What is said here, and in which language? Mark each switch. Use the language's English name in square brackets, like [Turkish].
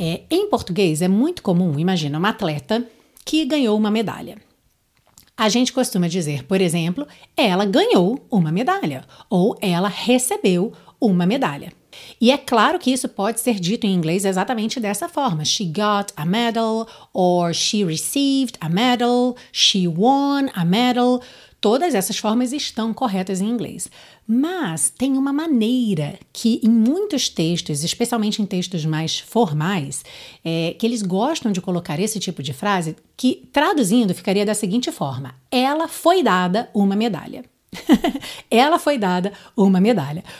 [Portuguese] Em português é muito comum, imagina, uma atleta que ganhou uma medalha. A gente costuma dizer, por exemplo, ela ganhou uma medalha ou ela recebeu uma medalha. E é claro que isso pode ser dito em inglês exatamente dessa forma. [English] She got a medal, or she received a medal, she won a medal. [Portuguese] Todas essas formas estão corretas em inglês. Mas tem uma maneira que em muitos textos, especialmente em textos mais formais, que eles gostam de colocar esse tipo de frase, que traduzindo ficaria da seguinte forma. Ela foi dada uma medalha. Ela foi dada uma medalha.